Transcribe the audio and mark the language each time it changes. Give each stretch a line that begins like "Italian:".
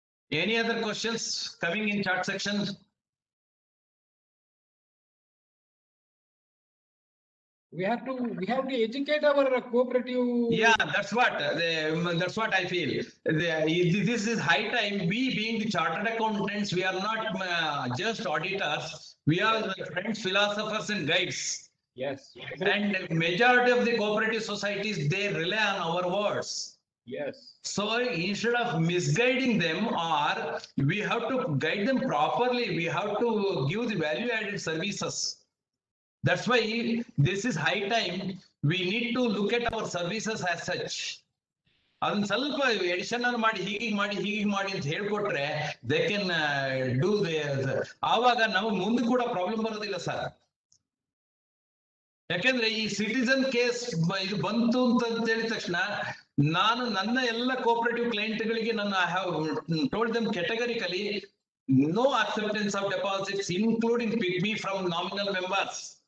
English: Any other questions coming in chat section? We have to educate our cooperative. Yeah, that's what I feel. This is high time. We being the chartered accountants, we are not just auditors. We are the friends, philosophers and guides. Yes. And majority of the cooperative societies, they rely on our words. Yes. So instead of misguiding them, or we have to guide them properly. We have to give the value added services. That's why this is high time. We need to look at our services as such.
Kannada: ಅದನ್ನ ಸ್ವಲ್ಪ edition ಅನ್ನು ಮಾಡಿ ಹೀಗೀಗ್ ಮಾಡಿ ಹೀಗೀಗ್ ಮಾಡಿ ಅಂತ ಹೇಳ್ಕೊಟ್ರೆ
English: They can do there.
Kannada: ಆವಾಗ ನಮ್ ಮುಂದೆ ಕೂಡ ಪ್ರಾಬ್ಲಮ್ ಬರೋದಿಲ್ಲ ಸರ್. ಯಾಕೆಂದ್ರೆ ಈ ಸಿಟಿಸನ್ ಕೇಸ್ ಇದು ಬಂತು ಅಂತ ಹೇಳಿದ ತಕ್ಷಣ ನಾನು ನನ್ನ ಎಲ್ಲ ಕೋಆಪರೇಟಿವ್ ಕ್ಲೈಂಟ್ ಗಳಿಗೆ ನನ್ನ
English: I have told them categorically no acceptance of deposits including pick me from nominal members.